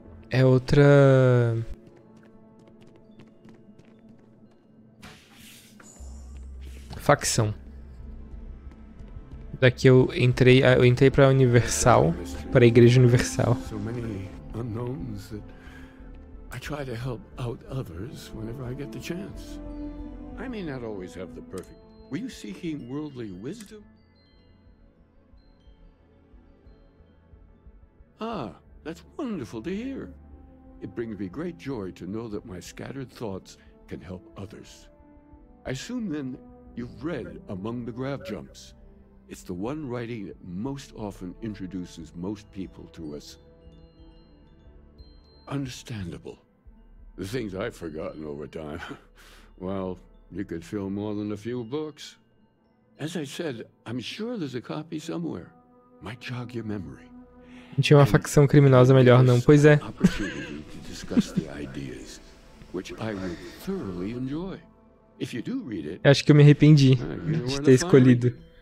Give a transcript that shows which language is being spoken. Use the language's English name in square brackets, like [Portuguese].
[Portuguese] É outra... facção. Daqui eu entrei pra Universal, pra Igreja Universal. [English] So many unknowns that I try to help out others whenever I get the chance. I may not always have the perfect. Were you seeking worldly wisdom? Ah, that's wonderful to hear. It brings me great joy to know that my scattered thoughts can help others. I assume then you've read Among the Grav Jumps. It's the one writing that most often introduces most people to us. Understandable. The things I've forgotten over time. Well, you could fill more than a few books. As I said, I'm sure there's a copy somewhere. Might jog your memory. [Portuguese] Tinha uma facção criminosa melhor, não? Pois é. Eu acho que eu me arrependi de ter escolhido.